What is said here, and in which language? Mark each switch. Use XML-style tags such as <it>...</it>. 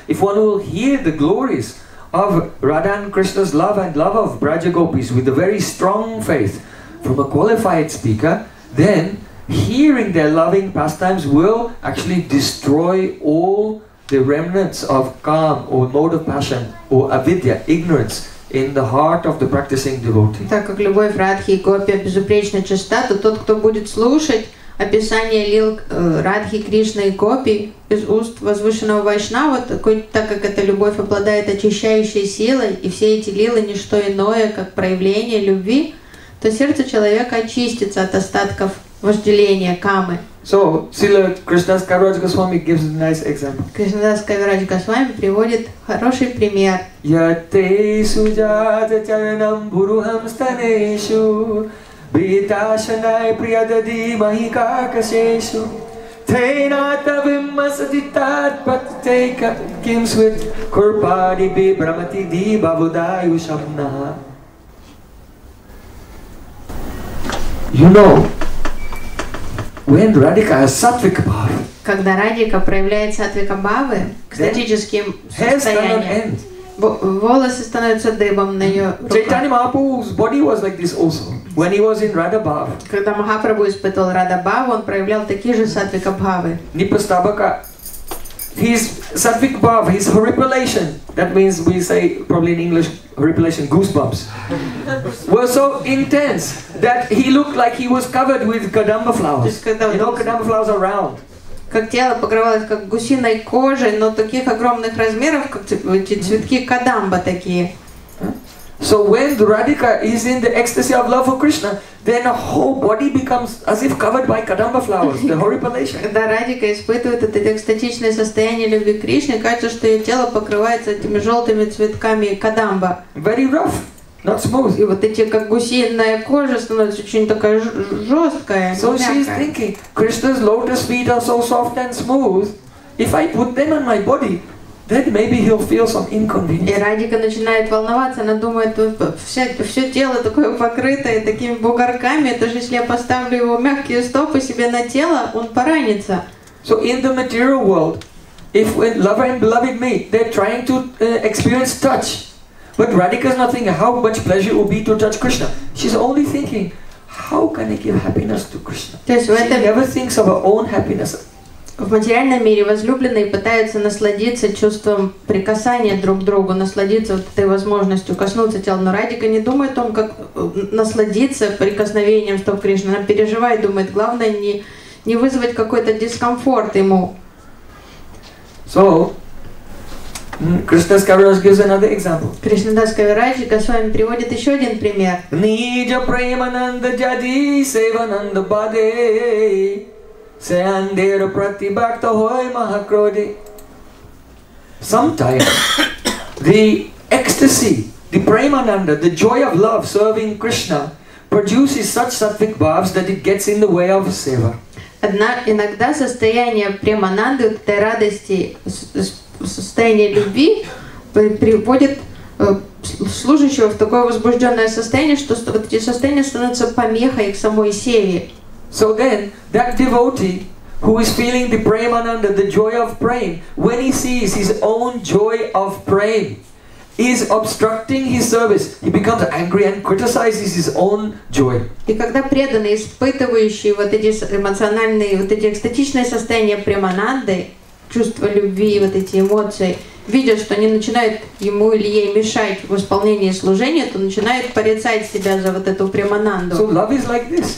<en>If one will hear the glories of Radha and Krishna's love and love of Braja Gopis with a very strong faith from a qualified speaker, then hearing their loving pastimes will actually destroy all the remnants of calm or mode of passion or avidya, ignorance, in the heart of the practicing devotee.</en> <ru>Так как любовь Радхи и Гопи безупречно чиста, то тот, кто будет слушать описание лил Радхи, Кришны и Гопи из уст возвышенного Вайшнава, так как эта любовь обладает очищающей силой, и все эти лилы не что иное, как проявление любви, то сердце человека очистится от остатков вожделения, камы.</ru> <en>So, Srila Krishnadas Kaviraj Goswami gives a nice example.</en> <ru>Krishnadas Kaviraj Goswami приводит хороший пример.</ru> <sa>Yate sujata charanam buruham staneshu Vitashanai priyadadi mahikakaseshu Tainata vimmasaditat patteka Kimswit kurpadi bi brahmati di bavudayu shamna.</sa> <en>You know, when Radhika has sattvic bhava,</en> <ru>когда Радика проявляет сатвика бхавы, экстатическим состоянием, волосы становятся дыбом на ее руках.</ru> <en>Chaitanya Mahaprabhu's body was like this also when he was in Radha Bhava.</en> <ru>Когда Махапрабху испытывал Радха Бхаву, он проявлял такие же сатвика бхавы.</ru> <en>Nipastabaka, his sattvic bhava, his horripilation, that means we say probably in English horripilation, goosebumps, were so intense that he looked like he was covered with kadamba flowers. You know, kadamba flowers are round.</en> <ru>Как тело покрывалось как гусиной кожей, но таких огромных размеров, как эти цветки кадамба такие.</ru> <en>So when Radhika is in the ecstasy of love for Krishna, then her whole body becomes as if covered by kadamba flowers, the horripilation.</en> <ru>Когда Радика испытывает это экстатичное состояние любви к Кришне, кажется, что ее тело покрывается этими желтыми цветками кадамба.</ru> <en>Very rough. Not smooth.</en> <ru>И вот эти как гусиная кожа становится очень такая жесткая.</ru> <en>So she's thinking, Krishna's lotus feet are so soft and smooth. If I put them on my body, then maybe he'll feel some inconvenience.</en> <ru>И Радика начинает волноваться, она думает, все тело такое покрытое такими бугорками, это же если я поставлю его мягкие стопы себе на тело, он поранится.</ru> <en>So in the material world, if lover and beloved meet, they're trying to experience touch. But Radhika is not thinking how much pleasure it would be to touch Krishna. She's only thinking, how can I give happiness to Krishna? She never thinks of her own happiness.</en> <ru>В материальном мире возлюбленные пытаются насладиться чувством прикасания друг к другу, насладиться вот этой возможностью коснуться тела. Но Радика не думает о том, как насладиться прикосновением стоп Кришны. Она переживает, думает, главное не вызвать какой-то дискомфорт ему.</ru> <en>So, Krishna's Kaviraj gives another example.</en> <ru>Кришнадас Кавираджика с вами приводит еще один пример.</ru> <sa>Нижа премананда джади севананда баде сэандера пратибакта хой махакроди.</sa> <en>Sometimes the ecstasy, the premananda, the joy of love serving Krishna produces such sattvic bhavs that it gets in the way of seva.</en> <ru>Иногда состояние премананды, вот этой радости, состояние любви приводит служащего в такое возбужденное состояние, что вот эти состояния становятся помехой к самой севе.</ru> <en>So then, that devotee, who is feeling the premananda, the joy of praying, when he sees his own joy of praying, is obstructing his service. He becomes angry and criticizes his own joy.</en> <ru>И когда преданный, испытывающий вот эти эмоциональные, вот эти экстатичные состояния премананды, чувство любви, вот эти эмоции, видя, что они начинают ему или ей мешать в исполнении служения, то начинает порицать себя за вот эту премананду.</ru> <en>So love is like this.</en>